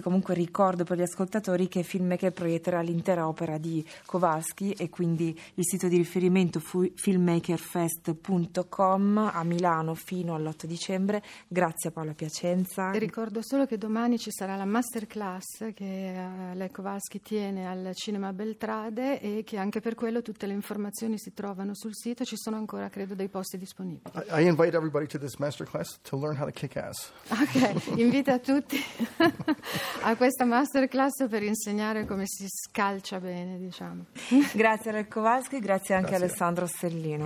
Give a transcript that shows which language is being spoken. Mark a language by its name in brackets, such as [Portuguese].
[Italian] Comunque ricordo per gli ascoltatori che Filmmaker proietterà l'intera opera di Kowalski e quindi il sito di riferimento filmmakerfest.com a Milano fino all'8 dicembre. Grazie a Paola Piacenza. E ricordo solo che domani ci sarà la masterclass che Lech Kowalski tiene al Cinema Beltrade e che anche per quello tutte le informazioni si trovano sul sito, ci sono ancora credo dei posti disponibili. [English] I invite everybody to this masterclass to learn how to kick ass. [Italian] Ok, invito a tutti a questa masterclass per insegnare come si scalcia bene, diciamo. Grazie a Lech Kowalski, grazie anche a Alessandro Stellino.